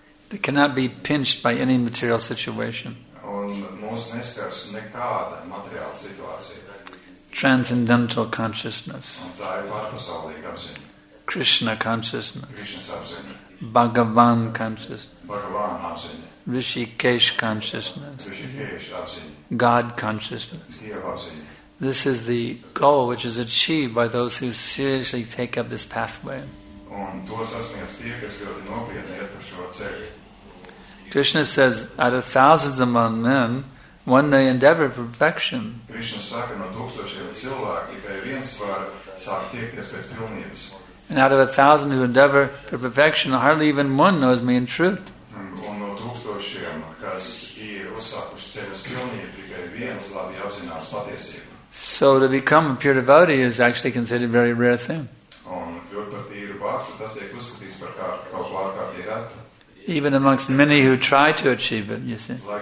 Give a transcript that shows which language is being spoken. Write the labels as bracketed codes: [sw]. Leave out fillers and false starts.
[en] That cannot be pinched by any material situation. [lv] mūs neskars nekāda materiāla situācija. [en] Transcendental consciousness. [lv] Un tā ir pārpasaulīga apziņa. [en] Krishna consciousness. [lv] Krishnas apziņa. [en] Bhagavan consciousness. [lv] Bhagavan apziņa. [en] Rishikesh consciousness. [lv] Rishikesh apziņa. [en] God consciousness. [lv] Dieva apziņa. [en] This is the goal which is achieved by those who seriously take up this pathway. [lv] Un to sasniegs tie, kas ļoti nopietni iet par šo ceļu. [en] Krishna says, out of thousands among men, one may endeavor perfection. [lv] Krishna saka, no tūkstošiem cilvēku, tikai viens var sākt tiekties pēc pilnības. [en] And out of a thousand who endeavor for perfection, hardly even one knows me in truth. [lv] Un no tūkstošiem, kas ir uzsākuši ceļu uz pilnību, tikai viens labi apzinās patiesību. [en] So to become a pure devotee is actually considered a very rare thing. [lv] Un kļūt par tīru bhakti, tas tiek uzskatīts par kaut ko ārkārtīgi retu. [en] Even amongst many who try to achieve it, you see.